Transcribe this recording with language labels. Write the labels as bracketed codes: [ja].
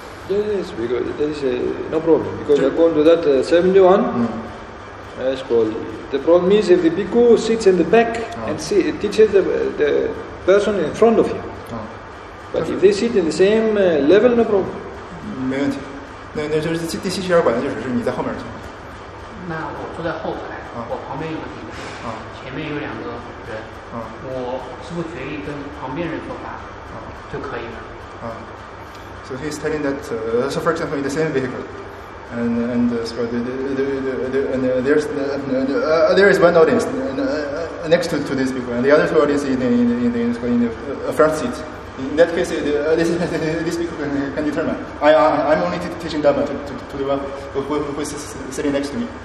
[en] Yes, because there is no problem because according to that 71, it's called. The problem is if the bhikkhu sits in the back and see, teaches the person in front of him. But if they sit in the same level, no problem. [zh] 没问题。那就是第七十二管的就是你在后面坐。那我坐在后排，我旁边有个顶前面有两个人，我是不是决定跟旁边人说话就可以了？ [en] So he's telling that, so for example, in the same vehicle, and there is one audience next to these people, and the other two audiences in the front seat. In that case, this people can determine. I'm only teaching Dhamma to the one who is sitting next to me.